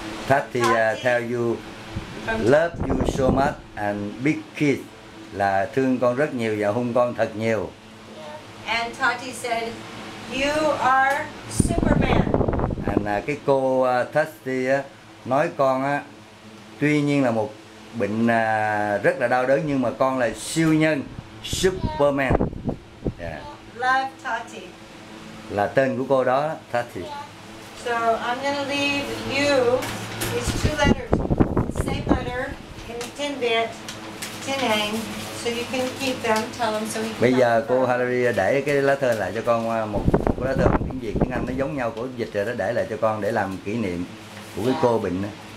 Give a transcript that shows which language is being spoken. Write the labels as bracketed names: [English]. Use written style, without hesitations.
[English] Tati, tell you love you so much and big kiss. [Vietnamese] Là thương con rất nhiều và hôn con thật nhiều. [English] And Tati said you are Superman. [Vietnamese] And cái cô Tati nói con á, tuy nhiên là một bệnh rất là đau đớn nhưng mà con là siêu nhân, Superman. [English] Love Tati. [Vietnamese] Là tên của cô đó, Tati. Yeah. [English] So I'm gonna leave you, it's two letters, same letter in Tin Biet, Tin Hang, so you can keep them, tell them so he can. [Vietnamese] Bây giờ cô Hillary để cái lá thư lại cho con, một lá thư tiếng Việt, tiếng Anh nó giống nhau, cô dịch rồi đó, để lại cho con để làm kỷ niệm của cái cô bệnh đó.